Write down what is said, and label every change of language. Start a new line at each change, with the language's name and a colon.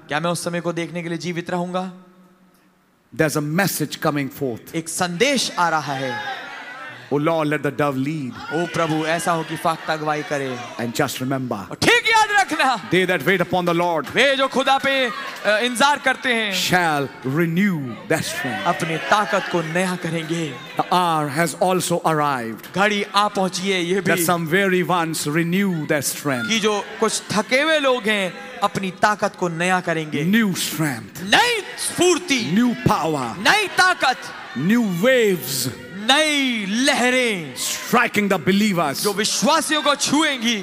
Hindi: क्या मैं उस समय को देखने के लिए जीवित रहूंगा?
English: There's a message coming forth.
Hindi: एक संदेश आ रहा है.
English: Oh Lord, let the dove lead.
Hindi: ओ प्रभु, ऐसा हो कि फाख्ता अगुवाई करे.
English: And just remember.
Hindi: ठीक याद रखना.
English: They that wait upon the Lord.
Hindi: वे जो खुदा पे इंतजार करते हैं
English: shall renew that strength.
Hindi: अपनी ताकत को नया करेंगे
English: The hour has also arrived.
Hindi: घड़ी आ पहुंची है ये भी
English: That some weary ones renew their strength.
Hindi: कि जो कुछ थके हुए लोग हैं अपनी ताकत को नया करेंगे
English: New strength.
Hindi: नई स्फूर्ति
English: New power.
Hindi: नई ताकत
English: New waves.
Hindi: नई लहरें
English: striking the believers
Hindi: जो विश्वासियों को छुएंगी